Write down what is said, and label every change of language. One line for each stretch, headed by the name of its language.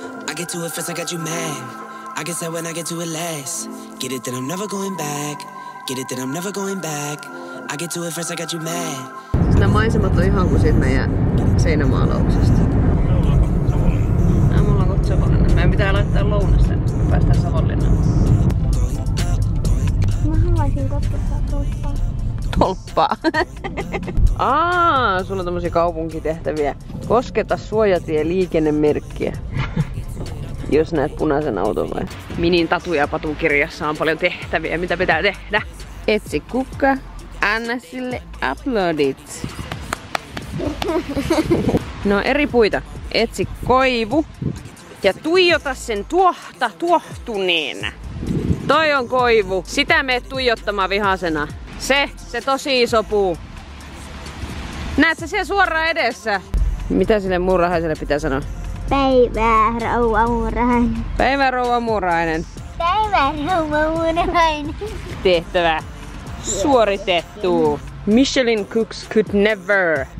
English: I get to it first, I got you mad. I guess that when I get to it last. Get it, then I'm never going back. Get it, then I'm never going back. I get to it first, I got you mad.
Finnish: Nämä maisemat on ihan kuin siitä meidän seinämaalauksesta. Mulla on kohta Savonlinna. Meidän pitää laittaa lounasta, kun päästään Savonlinnaan. Mä haluaisin kotkottaa tolppaa. Tolppaa? Aa, sulla on tämmösiä kaupunkitehtäviä. Kosketa suojatie liikennemerkkiä. Jos näet punaisen auton vai? Minin Tatu ja Patun kirjassa on paljon tehtäviä. Mitä pitää tehdä? Etsi kukka. Anna sille uploadit. No eri puita. Etsi koivu. Ja tuijota sen tuohta tuohtuneen. Toi on koivu. Sitä meet tuijottamaan vihasena. Se tosi iso puu. Näet sä siellä suoraan edessä? Mitä sille muurahaiselle pitää sanoa? Päivää rouva muurahainen. Päivää rouva muurahainen. Päivää rouva muurahainen. Tehtävä. Suoritettu.
English: Michelin cooks could never.